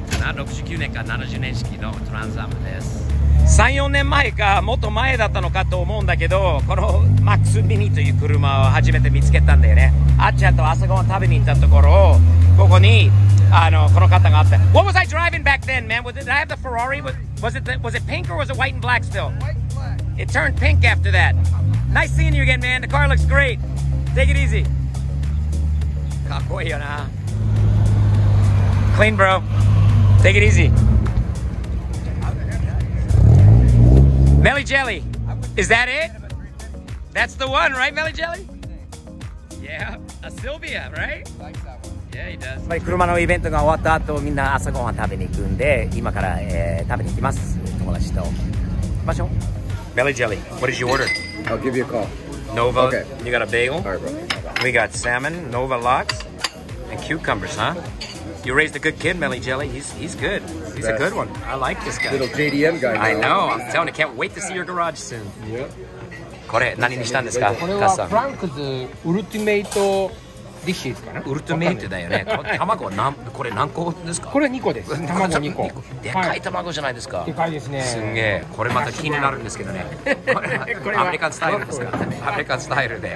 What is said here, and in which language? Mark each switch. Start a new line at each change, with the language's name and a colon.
Japanese: 69年か70年式のトランザムです。3、4年前かもっと前だったのかと思うんだけど、このマックスミニという車を初めて見つけたんだよね。あっちゃんと朝ごはん食べに行ったところを、ここにこの方があって。
English: What was I driving back then, man? Did I have the Ferrari? Was it pink or was it white and black still? It turned pink after that. Nice seeing you again, man. The car looks great. Take it easy.
Japanese: かっこいいよな。
English: Clean, bro. Take it easy. Melly Jelly. Is that it? That's the one, right, Melly Jelly? Yeah, a Sylvia, right? Yeah, he does.
Japanese: 車のイベントが終わった後、みんな朝ごはん食べに行くんで、今から、食べに行きます、友達と。場所？
English: Belly Jelly, what did you order? I'll give you a call. Nova,、okay. you got a bagel? All right, bro. We got salmon, Nova lox, and cucumbers, huh? You raised a good kid, Belly Jelly. He's good. He's、Best. A good one. I like this guy. Little JDM guy. I know, I'm telling you, I can't wait to see your garage soon. Yeah.
Japanese: これ何にしたんですか、カッサン？これはフランクズウルティメイトディッシュかな。ウルトメイトだよね。卵は何、これ何個ですか。これ2個です。卵2個、2個でかい卵じゃないですか、はい、でかいですね。すげえ。これまた気になるんですけどね。これアメリカンスタイルですか。アメリカンスタイルで、